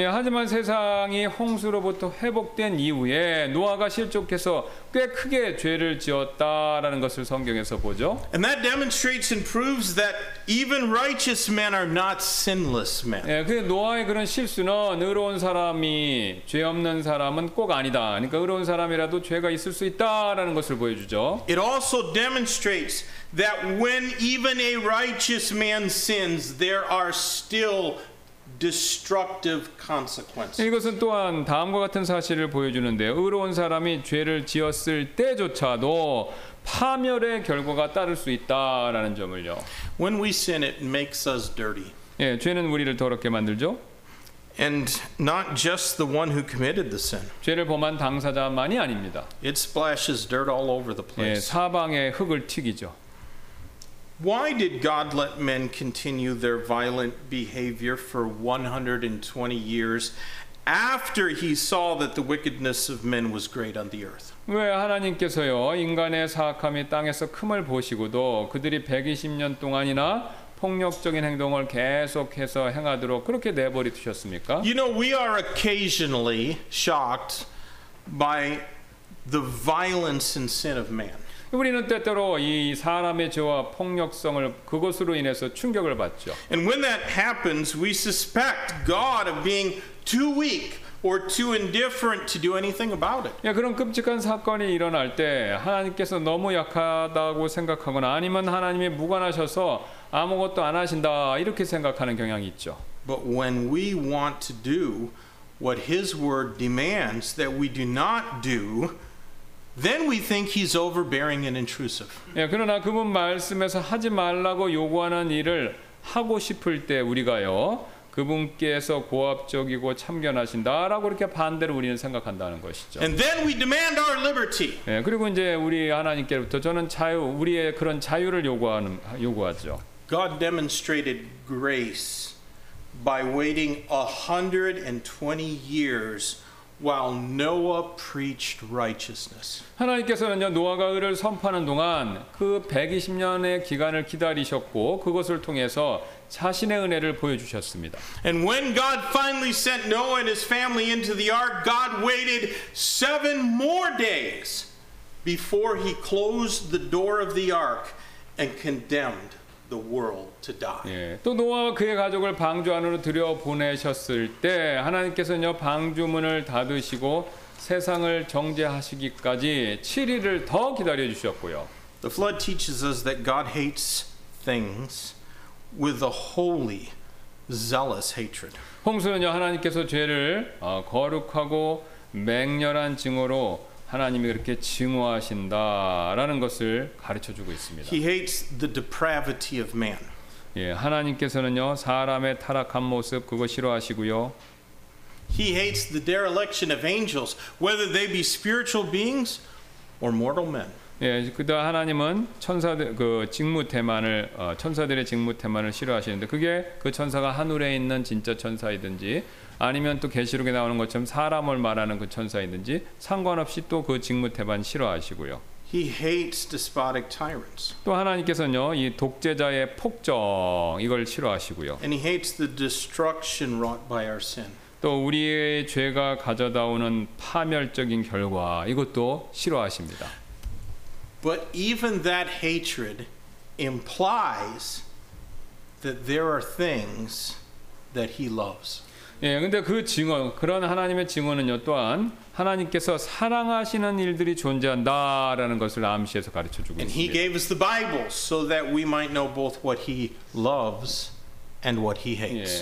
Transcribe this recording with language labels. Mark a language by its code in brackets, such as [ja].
[ko] 예, 하지만 세상이 홍수로부터 회복된 이후에 노아가 실족해서 꽤 크게 죄를 지었다라는 것을 성경에서 보죠. [en] And that demonstrates and proves that even righteous men are not sinless men. [ko] 예, 그 노아의 그런 실수는 의로운 사람이 죄 없는 사람은 꼭 아니다. 그러니까 의로운 사람이라도 죄가 있을 수 있다라는 것을 보여주죠. [en] It also demonstrates that when even a righteous man sins, there are still destructive consequences. [ko] 이것은 또한 다음과 같은 사실을 보여주는데, 의로운 사람이 죄를 지었을 때조차도 파멸의 결과가 따를 수 있다라는 점을요. [en] When we sin, it makes us dirty. [ko] 예, 죄는 우리를 더럽게 만들죠. [en] And not just the one who committed the sin. [ko] 죄를 범한 당사자만이 아닙니다. [en] It splashes dirt all over the place. [ko] 예, 사방에 흙을 튀기죠. [en] Why did God let men continue their violent behavior for 120 years after he saw that the wickedness of men was great on the earth? [ko] 왜 하나님께서요 인간의 사악함이 땅에서 큼을 보시고도 그들이 120년 동안이나 폭력적인 행동을 계속해서 행하도록 그렇게 내버려 두셨습니까? [en] You know, we are occasionally shocked by the violence and sin of man. [ko] 우리는 때때로 이 사람의 죄와 폭력성을 그것으로 인해서 충격을 받죠. [en] And when that happens, we suspect God of being too weak or too indifferent to do anything about it. [ko] 예, 그런 끔찍한 사건이 일어날 때 하나님께서 너무 약하다고 생각하거나 아니면 하나님이 무관하셔서 아무것도 안 하신다 이렇게 생각하는 경향이 있죠. [en] But when we want to do what his word demands that we do not do, Then we think he's overbearing and intrusive. [ko] 예, 그러나 그분 말씀에서 하지 말라고 요구하는 일을 하고 싶을 때 우리가요. 그분께서 고압적이고 참견하신다라고 이렇게 반대로 우리는 생각한다는 것이죠. [en] And then we demand our liberty. [ko] 예, 그리고 이제 우리 하나님께로부터 저는 자유, 우리의 그런 자유를 요구하는 요구하죠. [en] God demonstrated grace by waiting 120 years while Noah preached righteousness. [ko] 하나님께서는요 노아가 의를 선포하는 동안 그 120년의 기간을 기다리셨고 그것을 통해서 자신의 은혜를 보여주셨습니다. [en] And when God finally sent Noah and his family into the ark, God waited 7 more days before he closed the door of the ark and condemned the world to die. [ko] 예, 또 노아와 그의 가족을 방주 안으로 들여보내셨을 때 하나님께서는요 방주문을 닫으시고 세상을 정죄하시기까지 7일을 더 기다려 주셨고요. [en] The flood teaches us that God hates things with a holy, zealous hatred. [ko] 홍수는요 하나님께서 죄를 거룩하고 맹렬한 증오로 하나님이 그렇게 증오하신다라는 것을 가르쳐 주고 있습니다. [en] He hates the depravity of man. [ko] 예, 하나님께서는요 사람의 타락한 모습 그거 싫어하시고요. [en] He hates the dereliction of angels, whether they be spiritual beings or mortal men. [ko] 예, 그다 하나님은 천사들 그 직무태만을 천사들의 직무태만을 싫어하시는데 그게 그 천사가 하늘에 있는 진짜 천사이든지 아니면 또 계시록에 나오는 것처럼 사람을 말하는 그 천사이든지 상관없이 또 그 직무태만 싫어하시고요. [en] He hates despotic tyrants. [ko] 또 하나님께서는요 이 독재자의 폭정 이걸 싫어하시고요. [en] And he hates the destruction wrought by our sin. [ko] 또 우리의 죄가 가져다 오는 파멸적인 결과 이것도 싫어하십니다. [en] But even that hatred implies that there are things that he loves. [ko] 예, 근데 그 증언, 그런 하나님의 증언은요, 또한 하나님께서 사랑하시는 일들이 존재한다라는 것을 암시해서 가르쳐 주고 있습니다. [en] And he gave us the Bible so that we might know both what he loves and what he hates.